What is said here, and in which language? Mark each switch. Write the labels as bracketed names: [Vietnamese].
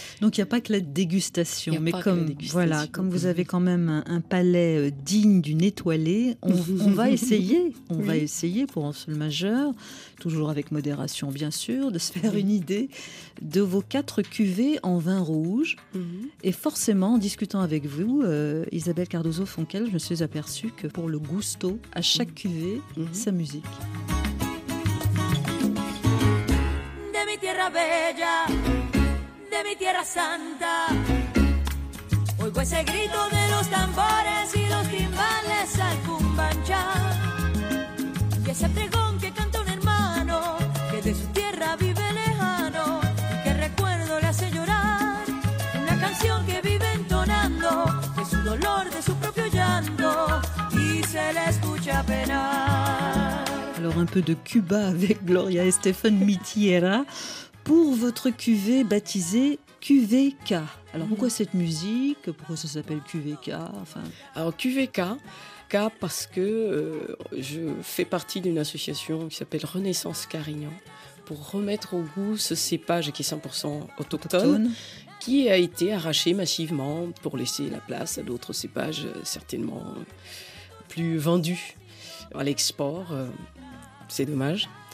[French] Donc il n'y a pas que la dégustation, comme vous avez quand même un palais digne d'une étoilée, on va essayer pour un seul majeur, toujours avec modération bien sûr, de se faire une idée de vos 4 cuvées en vin rouge. Mm-hmm. Et forcément, en discutant avec vous, Isabelle Cardozo-Fonquel, je me suis aperçue que pour le gusto, à chaque cuvée, sa musique. [Spanish] De mi tierra bella, de mi tierra santa, oigo ese grito de los tambores y los timbales al cumbancha, y ese pregón que canta un hermano que de su tierra vive lejano, que recuerdo le hace llorar, una canción que vive entonando de su dolor, de su propio llanto, y se le escucha penar. [French] Alors un peu de Cuba avec Gloria Estefan Mitiera pour votre cuvée baptisée QVK. Alors pourquoi cette musique? Pourquoi ça s'appelle QVK? Alors QVK, K parce que je fais partie d'une association qui s'appelle Renaissance Carignan pour remettre au goût ce cépage qui est 100% autochtone, qui a été arraché massivement pour laisser la place à d'autres cépages certainement plus vendus à l'export. C'est dommage.